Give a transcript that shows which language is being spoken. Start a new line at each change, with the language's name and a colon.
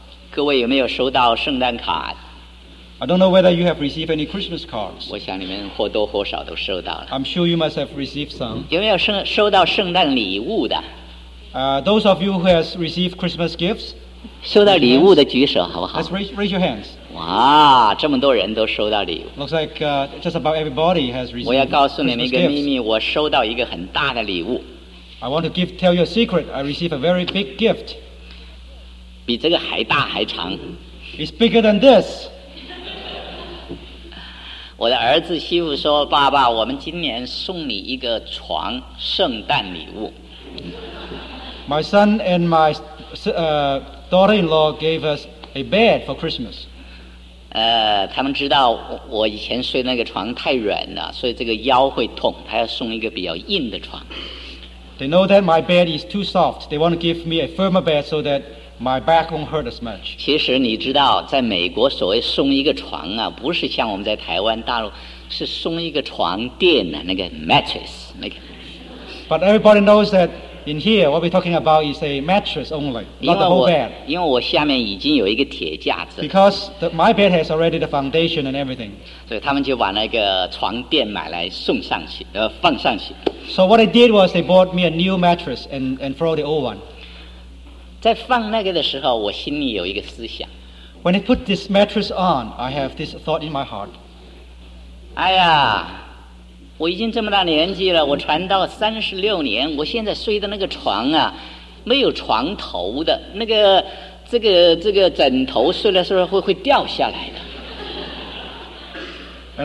Chinese: 各位有没有收到圣诞卡
English: I don't know whether you have received any Christmas cards
Chinese: 我想你们或多或少都收到了
English: I'm sure you must have received some
Chinese: 有没有收到圣诞礼物的
English: Those of you who have received Christmas gifts
Chinese: 收到礼物的举手好不好
English: Let's raise your hands
Chinese: 哇这么多人都收到礼物
English: Looks like just about everybody has received
Chinese: 我要告诉你们一个秘密我收到一个很大的礼物
English: I want to tell you a secret I received a very big gift
Chinese: 比这个还大还长
English: It's bigger than this
Chinese: 我的儿子媳妇说爸爸我们今年送你一个床圣诞礼物
English: My son and my daughter-in-law gave us a bed for Christmas
Chinese: 他们知道我以前睡那个床太软了所以这个腰会痛他要送一个比较硬的床
English: They know that my bed is too soft They want to give me a firmer bed so thatMy back won't hurt as much.
Chinese: 其实你知道，在美国所谓送一个床啊，不是像我们在台湾大陆，是送一个床垫的、啊、那个 mattress 那个。
English: But everybody knows that in here, what we're talking about is a mattress only, not the whole bed.
Chinese: 因为我下面已经有一个铁架子。
English: Because my bed has already the foundation and everything.
Chinese: 所以他们就把那个床垫买来送上去，放上去。
English: So what they did was they bought me a new mattress and throw the old one.
Chinese: 在放那个的时候我心里有一个思想
English: When I put this mattress on I have this thought in my heart
Chinese: 哎呀，我已经这么大年纪了，我传道36年，我现在睡的那个床啊，没有床头的，那个这个枕头睡了睡了会掉下来的。